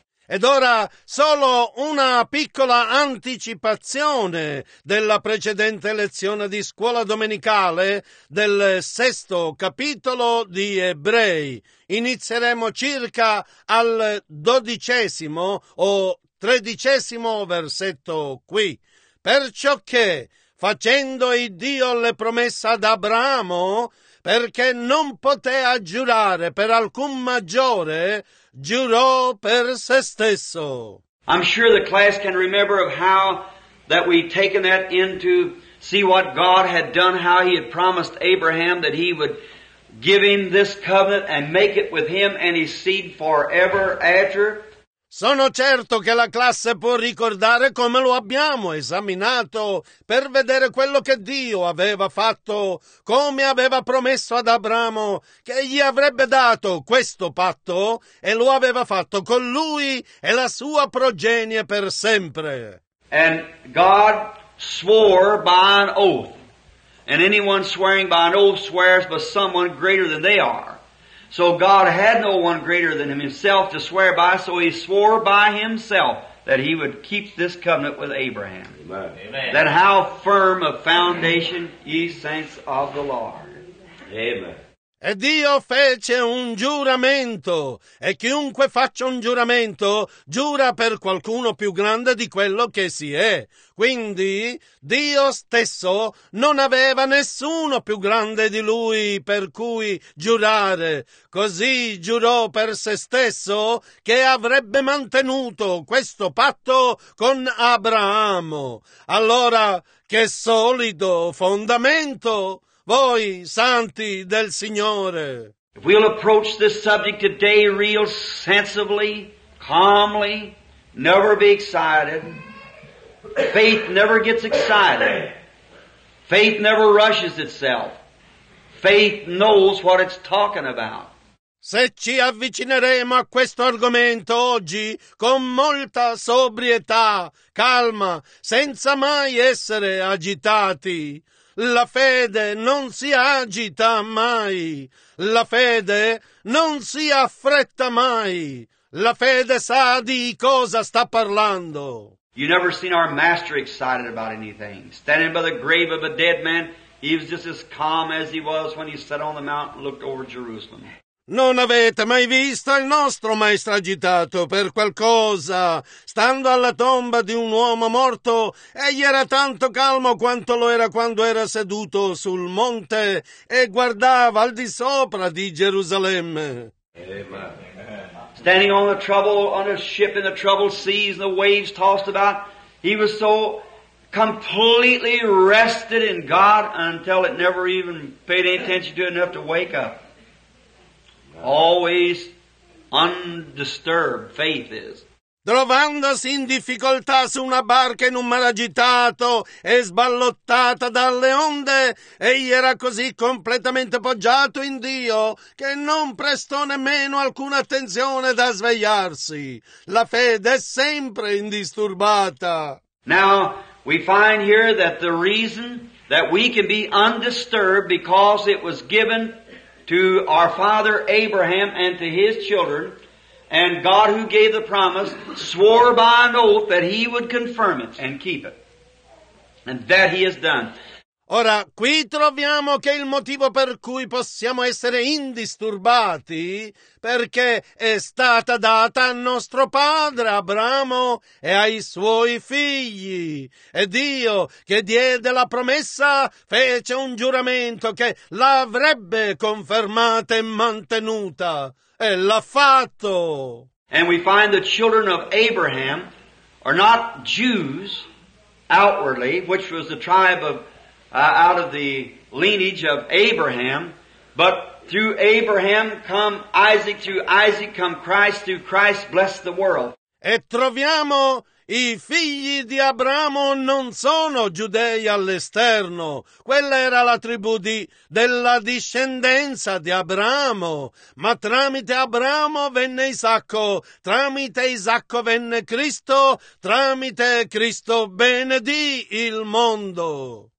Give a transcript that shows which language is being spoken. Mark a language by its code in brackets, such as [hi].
[it] Ed ora solo una piccola anticipazione della precedente lezione di scuola domenicale del sesto capitolo di Ebrei. Inizieremo circa al 12° o 13° versetto qui. Perciò che, facendo Iddio le promesse ad Abramo, perché non poteva giurare per alcun maggiore, giurò per se stesso. [en] I'm sure the class can remember of how that we've taken that in to see what God had done, how he had promised Abraham that he would give him this covenant and make it with him and his seed forever after. [it] Sono certo che la classe può ricordare come lo abbiamo esaminato per vedere quello che Dio aveva fatto, come aveva promesso ad Abramo che gli avrebbe dato questo patto e lo aveva fatto con lui e la sua progenie per sempre. [en] And God swore by an oath. And anyone swearing by an oath swears by someone greater than they are. So God had no one greater than himself to swear by, so he swore by himself that he would keep this covenant with Abraham. Amen. That how firm a foundation, ye saints of the Lord. Amen. [it] E Dio fece un giuramento, e chiunque faccia un giuramento giura per qualcuno più grande di quello che si è. Quindi Dio stesso non aveva nessuno più grande di lui per cui giurare. Così giurò per se stesso che avrebbe mantenuto questo patto con Abramo. Allora, che solido fondamento! Voi, santi del Signore. [en] If we'll approach this subject today real sensibly, calmly, never be excited. Faith never gets excited. Faith never rushes itself. Faith knows what it's talking about. [it] Se ci avvicineremo a questo argomento oggi con molta sobrietà, calma, senza mai essere agitati, la fede non si agita mai, la fede non si affretta mai, la fede sa di cosa sta parlando. [en] You never seen our master excited about anything. Standing by the grave of a dead man, he was just as calm as he was when he sat on the mountain and looked over Jerusalem. [it] Non avete mai visto il nostro maestro agitato per qualcosa. Stando alla tomba di un uomo morto, egli era tanto calmo quanto lo era quando era seduto sul monte e guardava al di sopra di Gerusalemme. Amen. [en] Standing on the trouble, on a ship in the troubled seas, the waves tossed about, he was so completely rested in God until it never even paid any attention to enough to wake up. Always undisturbed, faith is. [it] Trovandosi in difficoltà su una barca in un mare agitato e sballottata dalle onde, egli era così completamente poggiato in Dio che non prestò nemmeno alcuna attenzione da svegliarsi. La fede è sempre indisturbata. [en] Now, we find here that the reason that we can be undisturbed because it was given to our father Abraham and to his children, and God who gave the promise swore by an oath that he would confirm it and keep it. And that he has done. [it] Ora, qui troviamo che il motivo per cui possiamo essere indisturbati, perché è stata data a nostro padre Abramo e ai suoi figli. E Dio, che diede la promessa, fece un giuramento che l'avrebbe confermata e mantenuta. E l'ha fatto. [en] And we find the children of Abraham are not Jews outwardly, which was the tribe of out of the lineage of Abraham, but through Abraham come Isaac, through Isaac come Christ, through Christ bless the world. [it] E troviamo i figli di Abramo non sono giudei all'esterno. Quella era la tribù della discendenza di Abramo. Ma tramite Abramo venne Isacco, tramite Isacco venne Cristo, tramite Cristo benedì il mondo.